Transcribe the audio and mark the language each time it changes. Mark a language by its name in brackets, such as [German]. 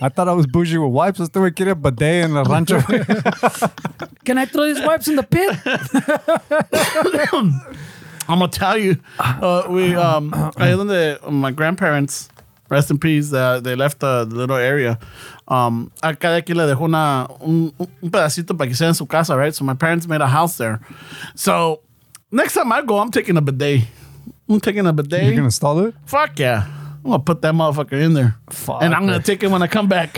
[English] I thought I was bougie with wipes. [Spanish] Este güey quiere bidet en el rancho. [English] Can I throw these wipes in the pit? I'm going to tell you. My grandparents, rest in peace, they left the little area. [Spanish] Cada quien le dejó un pedacito para que sea en su casa, right? [English] So my parents made a house there. So next time I go, I'm taking a bidet. I'm taking a bidet. You're going to install it? Fuck yeah. I'm going to put that motherfucker in there. Fuck. And I'm going to take it when I come back.